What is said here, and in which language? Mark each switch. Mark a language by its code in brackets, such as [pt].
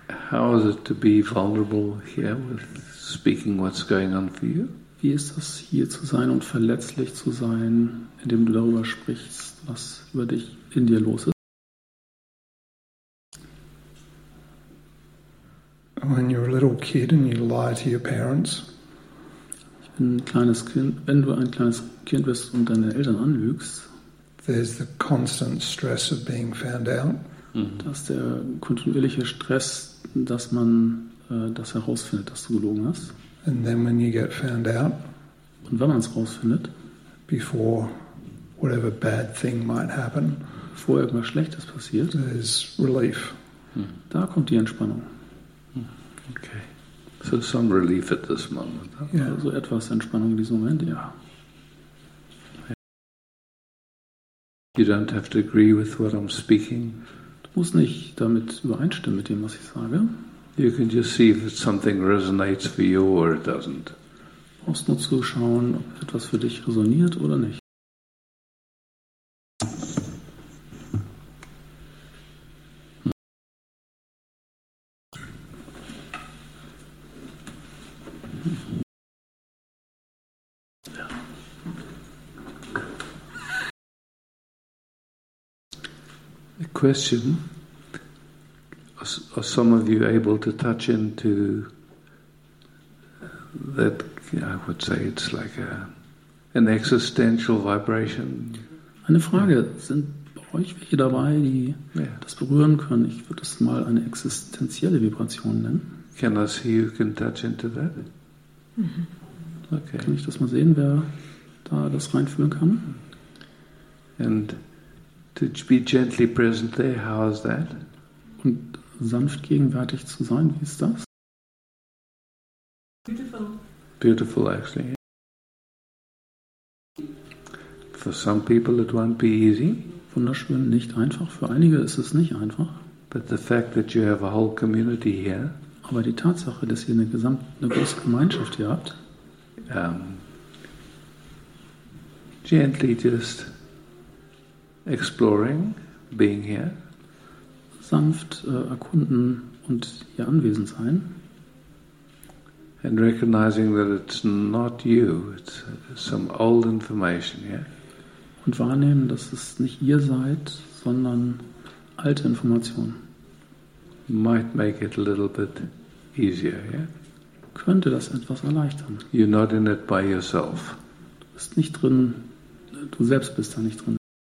[en] How is it to be vulnerable here with speaking what's going on for you? [de] Wie ist das, hier zu sein und verletzlich zu sein, indem du darüber sprichst, was über dich in dir los ist? [en] When you're a little kid and you lie to your parents. [de] Ich bin ein kleines Kind, wenn du ein kleines Kind bist und deine Eltern anlügst. [en] There's the constant stress of being found out. [de] Das ist der kontinuierliche Stress, dass man das herausfindet, dass du gelogen hast. [en] And then when you get found out, [de] und wenn man es rausfindet, [en] before whatever bad thing might happen, [de] bevor irgendwas Schlechtes passiert, [en] there's relief. [de] Da kommt die Entspannung. [en] Okay. So some relief at this moment. [de] Yeah. Also etwas Entspannung in diesem Moment, ja. [en] You don't have to agree with what I'm speaking. [de] Du musst nicht damit übereinstimmen mit dem, was ich sage. [en] You can just see if something resonates for you or it doesn't. [de] Du brauchst nur zu schauen, ob etwas für dich resoniert oder nicht. [en] Question: are some of you able to touch into that? I would say it's like an existential vibration. [de] Eine Frage: Sind bei euch welche dabei, die das berühren können? Ich würde das mal eine existenzielle Vibration nennen. [en] Can I see who can touch into that? Okay. [de] Kann ich das mal sehen, wer da das reinfühlen kann? [en] And to be gently present there, how is that? [de] Und sanft gegenwärtig zu sein, wie ist das? [en] Beautiful. Beautiful, actually. For some people it won't be easy. [de] Wunderschön, nicht einfach. Für einige ist es nicht einfach. [en] But the fact that you have a whole community here. [de] Aber die Tatsache, dass ihr eine große Gemeinschaft hier habt. [en] Gently just exploring, being here. [de] Sanft erkunden und hier anwesend sein. [en] And recognizing that it's not you, it's some old information, yeah? [de] Und wahrnehmen, dass es nicht ihr seid, sondern alte Information. [en] Might make it a little bit easier, yeah? [de] Könnte das etwas erleichtern. [en] You're not in it by yourself. [de] Du bist nicht drin, du selbst bist da nicht drin.